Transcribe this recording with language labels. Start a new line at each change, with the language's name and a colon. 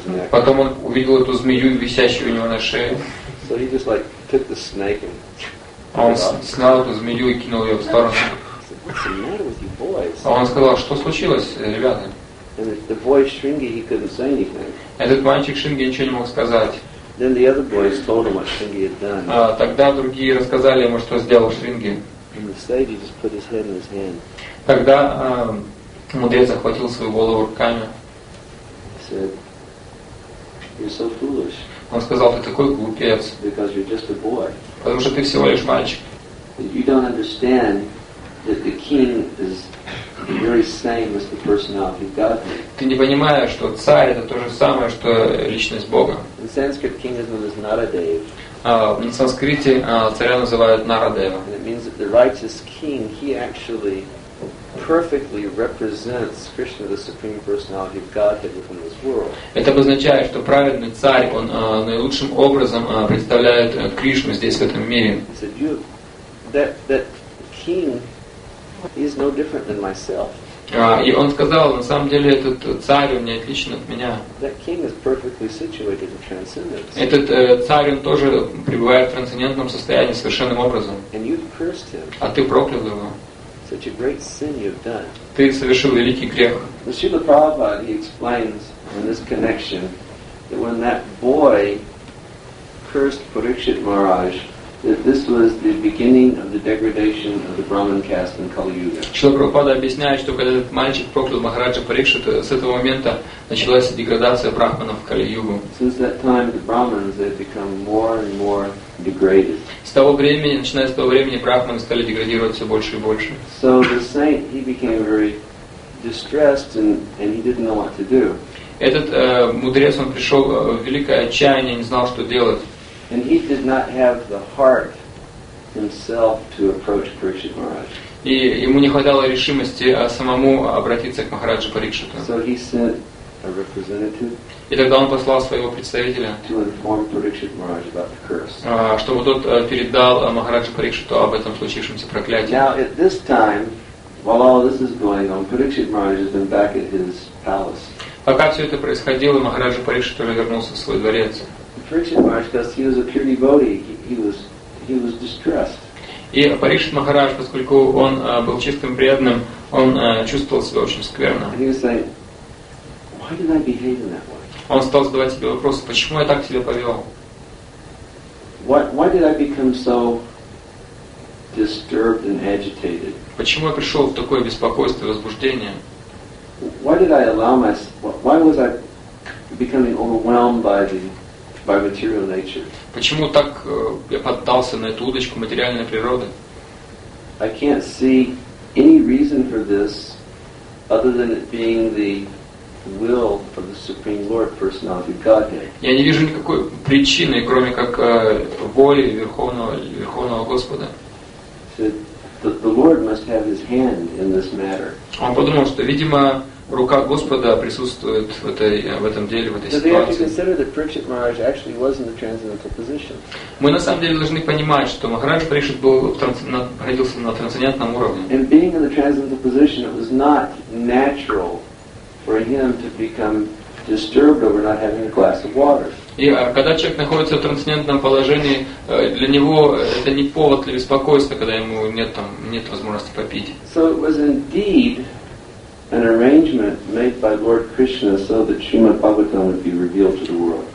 Russian: Потом он увидел эту змею, висящую у него на шее.
English: So he just, like, took the snake and...
Russian: Он снял эту змею и кинул ее в сторону.
English: Said, "What's the matter with you boys?"
Russian: А он сказал: "Что случилось, ребята?"
English: And the boy Шринги, he couldn't say anything.
Russian: Этот мальчик Шринги ничего не мог сказать.
English: Then the other boys told him what Шринги had done.
Russian: Тогда другие рассказали ему, что сделал Шринги.
English: In the stage, he just put his head in his hand.
Russian: Тогда мудрец захватил свою голову руками.
English: He said, "You're so foolish."
Russian: Он сказал: "Ты такой глупец."
English: Because you're just a boy.
Russian: Потому что ты всего лишь мальчик.
English: You don't understand that the king is the very same as the personality of God.
Russian: Ты не понимаешь, что царь — это то же самое, что личность Бога.
English: In Sanskrit, king is known as Naradev.
Russian: На санскрите царя называют Нарадева.
English: It means that the righteous king, he actually perfectly represents Krishna, the supreme personality of Godhead within this world.
Russian: Это означает, что праведный царь, он наилучшим образом представляет Кришну здесь, в этом мире.
English: He said, that king is no different than myself.
Russian: И он сказал: "На самом деле этот царь, он не отличен от меня."
English: That king is perfectly situated in transcendence.
Russian: Этот царь, он тоже пребывает в трансцендентном состоянии совершенным образом.
English: And you've cursed him.
Russian: А ты проклял его.
English: Such a great sin you've done.
Russian: Ты совершил великий грех.
English: The Srila Prabhupada, he explains in this connection that when that boy cursed Parikshit Maharaj, that this was the beginning of the degradation of the Brahmin caste in Kali Yuga.
Russian: Шрила Прабхупада объясняет, что когда этот мальчик проклял Махараджа Парикшита, с этого момента началась деградация брахманов в Кали Югу.
English: Since that time, the Brahmins have become more and more degraded.
Russian: С того времени, начиная с того времени, брахманы стали деградировать все больше и больше.
English: So the saint, he became very distressed and he didn't know what to do.
Russian: Этот мудрец, он пришел в великое отчаяние, не знал, что делать.
English: And he did not have the heart himself to approach Parikshit Maharaj.
Russian: И ему не хватало решимости самому обратиться к Махараджу Парикшиту.
English: So he sent a representative.
Russian: И тогда он послал своего представителя.
English: To inform Parikshit Maharaj about the curse.
Russian: Чтобы тот передал Махараджу Парикшиту об этом случившемся проклятии.
English: Now at this time, while all this is going on, Parikshit Maharaj has been back at his palace.
Russian: Пока все это происходило, Махараджа Парикшита вернулся в свой дворец.
English: Parikshit Maharaj, because he was a pure devotee, he was distressed.
Russian: И Парикшит Махарадж, поскольку он был чистым преданным, он чувствовал себя очень скверно.
English: And he was saying, why did I behave in that way?
Russian: Он стал задавать себе вопрос, почему я так себя повел?
English: Why did I become so disturbed and agitated?
Russian: Почему я пришел в такое беспокойство и возбуждение?
English: Why did I allow myself? Why was I becoming overwhelmed by material nature?
Russian: Почему так я поддался на эту удочку материальной природы?
English: I can't see any reason for this other than it being the will of the Supreme Lord, Personality of Godhead.
Russian: Я не вижу никакой причины, кроме как воли Верховного Господа.
English: The Lord must have his hand in this matter.
Russian: Он подумал, что, видимо, рука Господа присутствует в этой ситуации. Мы на самом деле должны понимать, что Махарадж Парикшит находился на трансцендентном уровне.
English: And being in the transcendental position, it was not natural for him to become disturbed over not having a glass of water.
Russian: И когда человек находится в трансцендентном положении, для него это не повод для беспокойства, когда ему нет возможности попить.
English: So it was indeed an arrangement made by Lord Krishna so that Srimad Bhagavatam would be revealed to the world.